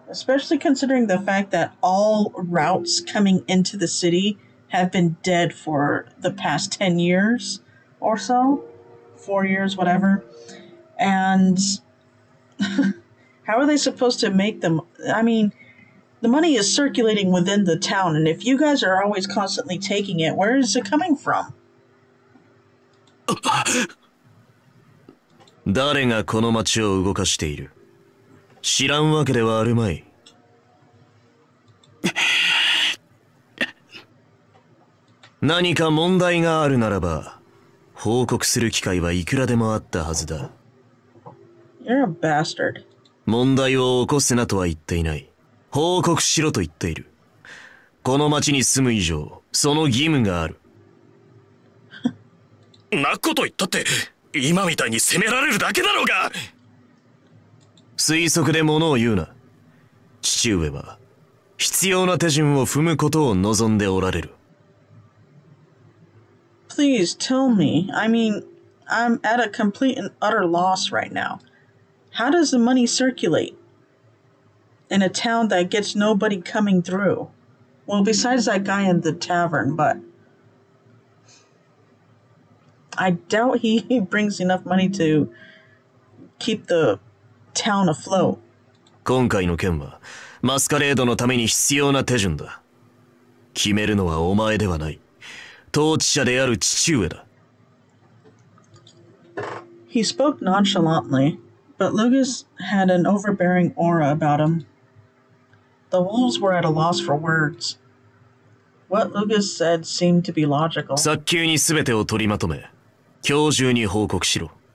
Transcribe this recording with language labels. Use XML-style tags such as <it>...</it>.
<en>Especially considering the fact that all routes coming into the city have been dead for the past 10 years or so. 4 years, whatever. And how are they supposed to make them? I mean... The money is circulating within the town, and if you guys are always constantly taking it, where is it coming from?</en> <ja>誰がこの町を動かしている?知らんわけではあるまい。何か問題があるならば、報告する機会はいくらでもあったはずだ。</ja> <en>You're a bastard.</en> <ja>問題を起こすなとは言っていない。報告しろと言っている。この町に住む以上、その義務がある。なこと言ったって、今みたいに責められるだけだろうが。推測で物を言うな。父上は、必要な手順を踏むことを望んでおられる。</ja> <en>Please tell me. I mean, I'm at a complete and utter loss right now. How does the money circulate? In a town that gets nobody coming through. Well, besides that guy in the tavern, but... I doubt he brings enough money to keep the town afloat.</en> <ja>今回の件は、マスカレードのために必要な手順だ。決めるのはお前ではない。統治者である父上だ。</ja> <en>He spoke nonchalantly, but Lucas had an overbearing aura about him. The wolves were at a loss for words. What Lucas said seemed to be logical.</en> <ja>早急に全てを取りまとめ、今日中に報告しろ。</ja>